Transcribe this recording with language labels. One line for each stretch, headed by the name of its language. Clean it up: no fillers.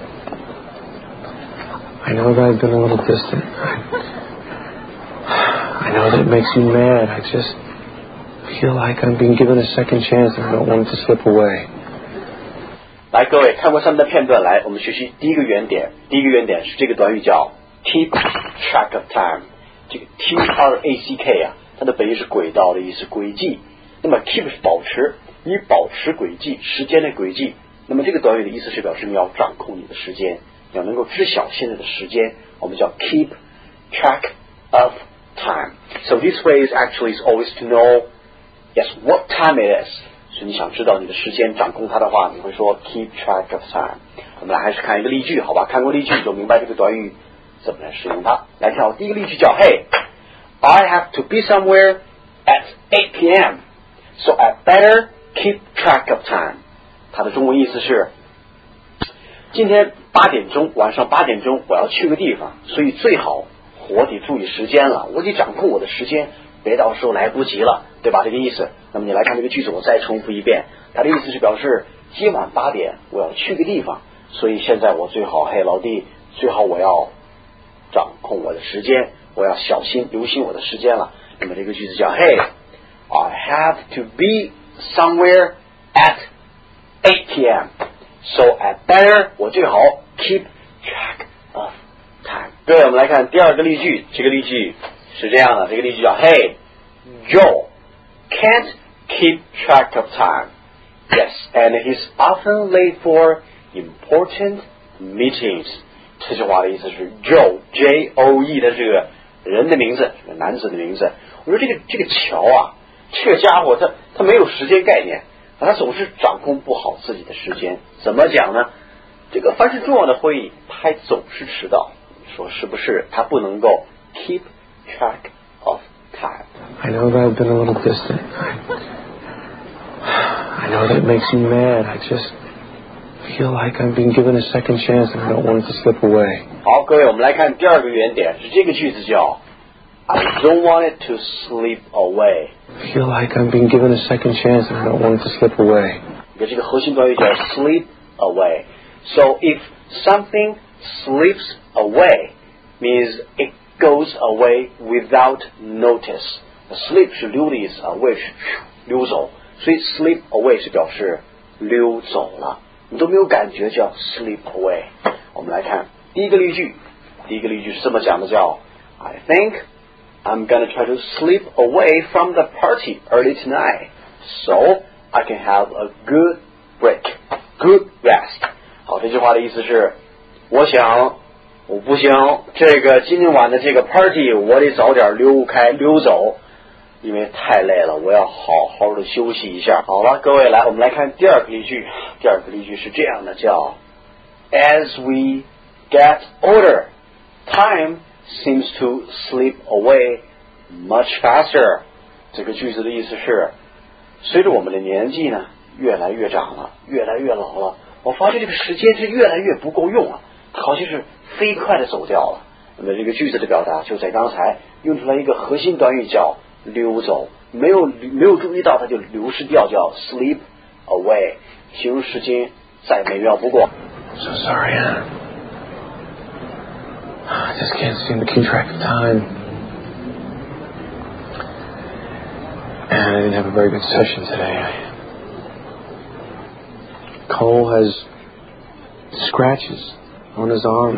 English: I know that I've been a little distant. I know that it makes you mad. I just feel like I'm being given a second chance and I don't want it to slip away.
Chinese: 来，各位看过上面的片段，来，我们学习第一个原点。第一个原点是这个短语叫 keep track of time， 这个 track 啊，它的本意是轨道的意思，轨迹。那么 keep 是保持，你保持轨迹，时间的轨迹。那么这个短语的意思是表示你要掌控你的时间，你要能够知晓现在的时间，我们叫 keep track of time。
English: So this way is actually is always to know yes what time it is。
Chinese: 所以你想知道你的时间，掌控它的话，你会说 keep track of time。我们来还是看一个例句，好吧，看过例句你就明白这个短语怎么来使用它。来跳第一个例句叫
English: Hey, I have to be somewhere at 8 p.m. So I better keep track of time。
Chinese: 它的中文意思是今天八点钟，晚上八点钟我要去个地方，所以最好我得注意时间了，我得掌控我的时间，别到时候来不及了，对吧，这个意思。那么你来看这个句子，我再重复一遍，它的意思是表示今晚八点我要去个地方，所以现在我最好，嘿老弟，最好我要掌控我的时间，我要小心留心我的时间了。那么这个句子叫
English: Hey, I have to be somewhere at 8 p.m. So I better,
Chinese: 我最好
English: keep track of time。
Chinese: 对，我们来看第二个例句，这个例句是这样的，这个例句叫
English: Hey, Joe can't keep track of time. Yes, and he's often late for important meetings.
Chinese: 这句话的意思是 Joe, J-O-E 的这个人的名字，男子的名字。我说这个乔啊，这个家伙他没有时间概念，他总是掌控不好自己的时间。怎么讲呢？这个凡是重要的会议他还总是迟到，说是不是他不能够 keep track of time。
English: I know that I've been a little distant. I know that it makes you mad. I just feel like I'm being given a second chance and I don't want it to slip away.
Chinese: 好，各位，我们来看第二个原点，是这个句子叫
English: I don't want it to slip away. I feel like I'm being given a second chance and I don't want it to slip away.
Chinese: 这个核心短语叫 slip away.
English: So if something slips away means it goes away without notice.
Chinese: Slip 是溜的意思啊，away 是溜走，所以 slip away 是表示溜走了，你都没有感觉，叫 slip away。我们来看第一个例句，第一个例句是这么讲的，叫
English: I think I'm gonna try to slip away from the party early tonight so I can have a good break, good rest。
Chinese: 好，这句话的意思是我想我不行，这个今天晚的这个 party 我得早点溜开溜走，因为太累了，我要好好的休息一下。好了，各位，来，我们来看第二个例句。第二个例句是这样的，叫
English: As we get older, time seems to slip away much faster.
Chinese: 这个句子的意思是，随着我们的年纪呢，越来越长了，越来越老了，我发现这个时间是越来越不够用了，好像是飞快的走掉了。那么这个句子的表达就在刚才用出来一个核心短语叫溜走，没有注意到它就流失掉，叫 slip away， 形容时间再美妙不过。
English: So sorry, I just can't seem to keep track of time. And I didn't have a very good session today. Cole has scratches on his arm.